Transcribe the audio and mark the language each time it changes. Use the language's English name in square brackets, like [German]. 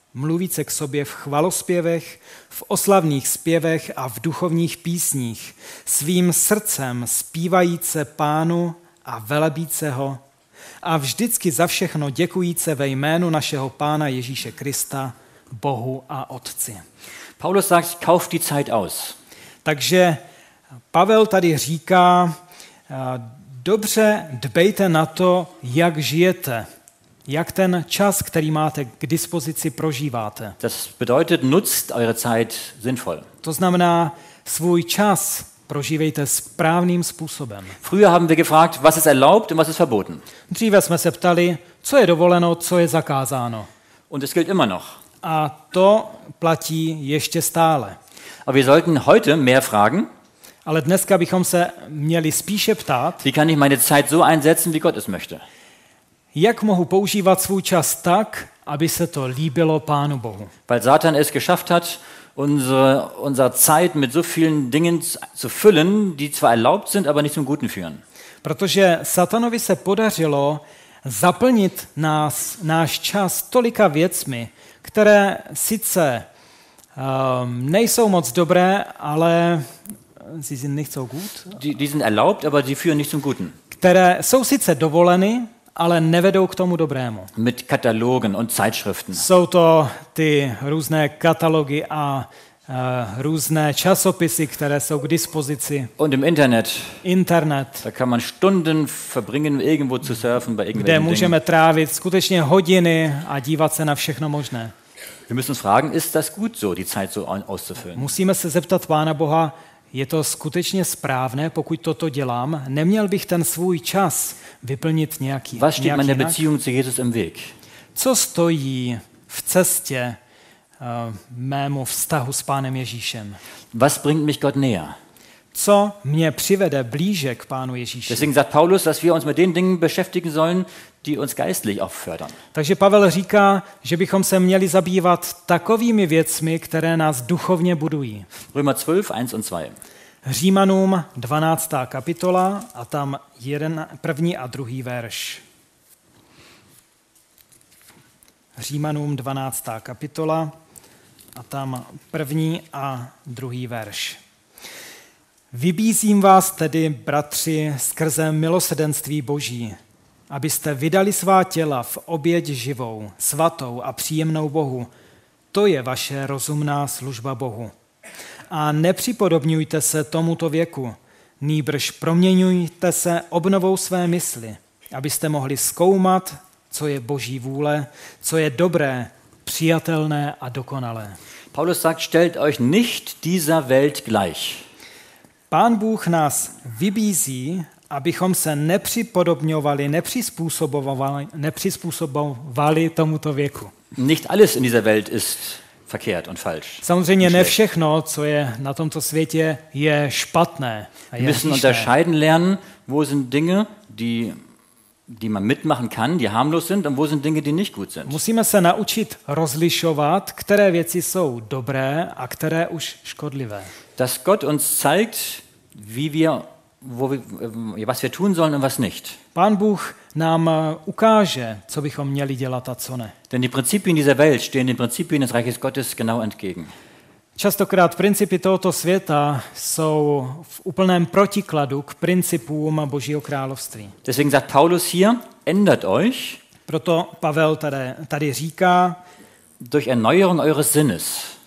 [Czech] mluvíce k sobě v chvalospěvech, v oslavných zpěvech a v duchovních písních, svým srdcem zpívajíce Pánu a velebíce ho a vždycky za všechno děkujíce ve jménu našeho Pána Ježíše Krista, Bohu a Otci. [German] Paulus sagt, kauf die Zeit aus. [Czech] Takže Pavel tady říká, dobře dbejte na to, jak žijete. Jak ten čas, který máte k dispozici, prožíváte. [German] Das bedeutet, nutzt eure Zeit sinnvoll. [Czech] To znamená, svůj čas prožívejte správným způsobem. [German] Früher haben wir gefragt, was ist erlaubt und was ist verboten. [Czech] Dříve jsme se ptali, co je dovoleno, co je zakázáno. [German] Und es gilt immer noch. [Czech] A to platí ještě stále. [German] Aber wir sollten heute mehr fragen. [Czech] Ale dneska bychom se měli spíše ptát. [German] Wie kann ich meine Zeit so einsetzen, wie Gott es möchte? [Czech] Jak mohu používat svůj čas tak, aby se to líbilo Pánu Bohu? [German] Weil Satan es geschafft hat, unsere Zeit mit so vielen Dingen zu füllen, die zwar erlaubt sind, aber nicht zum Guten führen. [Czech] Protože Satanovi se podařilo zaplnit náš čas tolika věcmi, které sice nejsou moc dobré, ale [German] sie sind nicht so gut. Die sind erlaubt, aber sie führen nicht zum Guten. [Czech] Které jsou sice dovoleny, ale nevedou k tomu dobrému. [German] Mit Katalogen und Zeitschriften. [Czech] Jsou to ty různé katalogy a různé časopisy, které jsou k dispozici. [German] Und im Internet. [Czech] Internet. [German] Da kann man Stunden verbringen, irgendwo zu surfen bei irgendwelchen Dingen. [Czech] Kde můžeme trávit skutečně hodiny a dívat se na všechno možné. [German] Wir müssen uns fragen, ist das gut so, die Zeit so auszufüllen? [Czech] Musíme se zeptat Pána Boha, je to skutečně správné, pokud toto dělám? Neměl bych ten svůj čas vyplnit nějaký [German] Was steht meine Beziehung zu Jesus im Weg? [Czech] Co stojí v cestě mému vztahu s Pánem Ježíšem? [German] Was bringt mich Gott näher? [Czech] Co mě přivede blíže k Pánu Ježíši? [German] Deswegen sagt Paulus, dass wir uns mit den Dingen beschäftigen sollen, die uns geistlich auch fördern. [Czech] Takže Pavel říká, že bychom se měli zabývat takovými věcmi, které nás duchovně budují. [German] Römer 12, 1 und 2. [Czech] Římanům 12. kapitola a tam jeden, první a druhý verš. Římanům 12. kapitola a tam první a druhý verš. Vybízím vás tedy, bratři, skrze milosrdenství Boží, abyste vydali svá těla v oběť živou, svatou a příjemnou Bohu. To je vaše rozumná služba Bohu. A nepřipodobňujte se tomuto věku, nýbrž proměňujte se obnovou své mysli, abyste mohli zkoumat, co je Boží vůle, co je dobré, přijatelné a dokonalé. [German] Paulus sagt, stellt euch nicht dieser Welt gleich. [Czech] Pán Bůh nás vybízí, abychom se nepřipodobňovali, nepřizpůsobovali tomuto věku. [German] Nicht alles in dieser Welt ist verkehrt und falsch. [Czech] Samozřejmě ne všechno, co je na tomto světě, je špatné. [German] Wir müssen unterscheiden lernen, wo sind Dinge, die man mitmachen kann, die harmlos sind, und wo sind Dinge, die nicht gut sind. [Czech] Musíme se naučit rozlišovat, které věci jsou dobré a které už škodlivé. [German] Dass Gott uns zeigt, wie wir was wir tun sollen und was nicht. [Czech] Pán Bůh nám ukáže, co bychom měli dělat a co ne. [German] Denn die Prinzipien dieser Welt stehen den Prinzipien des Reiches Gottes genau entgegen. [Czech] Častokrát principy tohoto světa jsou v úplném protikladu k principům Božího království. [German] Deswegen sagt Paulus hier, ändert euch. [Czech] Proto Pavel tady říká, [German] durch Erneuerung eures Sinnes.